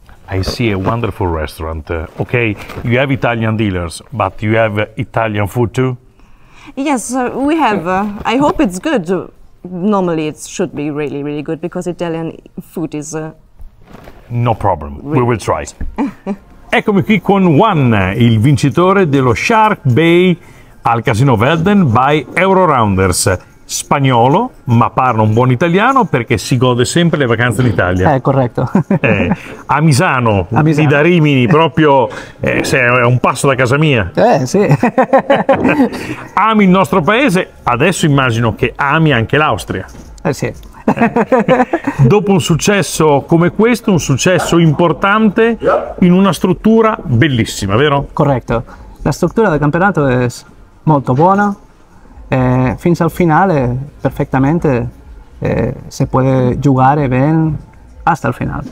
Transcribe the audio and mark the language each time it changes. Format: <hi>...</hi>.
<en>I see a wonderful restaurant. Okay, you have Italian dealers, but you have Italian food too? Yes, we have. I hope it's good. Normally it should be really, really good, because Italian food is... No problem, we will try.</en> <it>Eccomi qui con Juan, il vincitore dello Shark Bay al Casino Velden by Eurorounders. Spagnolo, ma parla un buon italiano perché si gode sempre le vacanze in Italia. Corretto. A Misano, di da Rimini, proprio è un passo da casa mia. Sì. Ami il nostro paese, adesso immagino che ami anche l'Austria. Sì. Dopo un successo come questo, un successo importante in una struttura bellissima, vero? Corretto. La struttura del campionato è molto buona,</it> <es>fins al finale perfectamente se puede jugar bien hasta el final.</es>